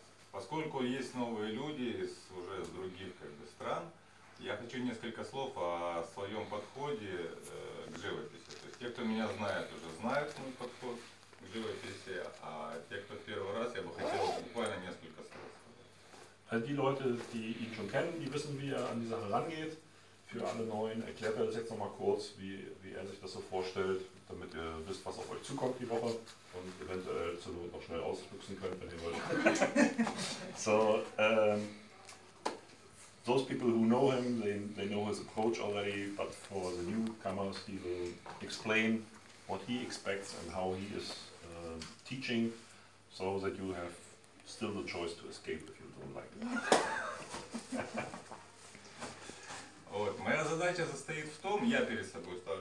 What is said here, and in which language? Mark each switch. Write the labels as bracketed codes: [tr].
[ru] Поскольку есть новые люди из уже других как бы стран, я хочу несколько слов о своем подходе к живописи. То есть те, кто меня знает, уже знают мой подход к живописи, а те, кто первый раз, я бы хотел буквально несколько слов сказать. [de] Die Leute, die ihn schon kennen, die wissen, wie er an die Sache rangeht. Für alle Neuen erklärt er das jetzt nochmal kurz, wie er sich das so vorstellt, damit ihr wisst, was auf euch zukommt die Woche und eventuell zur Not noch schnell ausfüchsen könnt, wenn ihr wollt. [en] So, those people who know him, they know his approach already, but for the newcomers, he will explain what he expects and how he is teaching, so that you have still the choice to escape if you don't like it. [ru] Вот. Моя задача состоит в том, я перед собой ставлю.